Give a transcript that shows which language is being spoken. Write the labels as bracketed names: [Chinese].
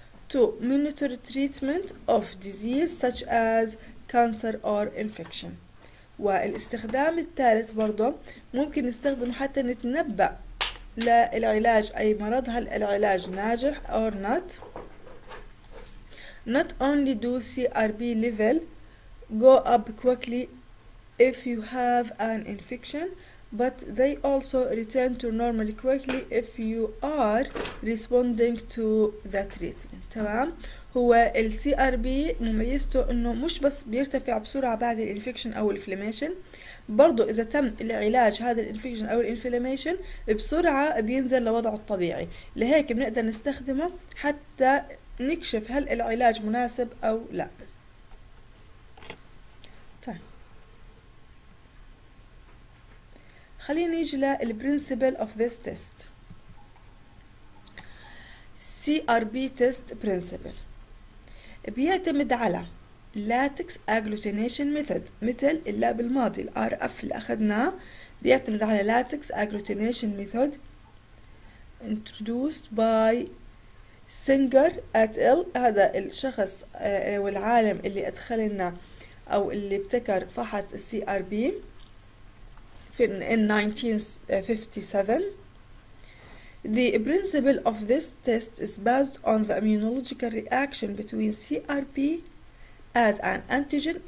[English] To monitor treatment of disease such as cancer or infection. [Arabic] والاستخدام الثالث برضه ممكن نستخدمه حتى نتنبأ للعلاج، أي مرض هل العلاج ناجح or not. [English] Not only do CRP level go up quickly if you have an infection but they also return to normal quickly if you are responding to the treatment. [Arabic] تمام، هو ال CRP مميزته انه مش بس بيرتفع بسرعة بعد الانفكشن او الانفلاميشن، برضو اذا تم العلاج هذا الانفكشن او الانفلاميشن بسرعة بينزل لوضعه الطبيعي، لهيك بنقدر نستخدمه حتى نكشف هل العلاج مناسب او لا. خلينا نيجي لل principle of this test. [English] CRP test principle بيعتمد على latex agglutination method مثل اللاب الماضي ال RF اللي أخذناه، بيعتمد على latex agglutination method introduced by Singer et al. [Arabic] هذا الشخص والعالم اللي أدخل لنا أو اللي ابتكر فحص ال CRP في 1957. [English] The principle of this test is based on the immunological reaction between CRP as an antigen.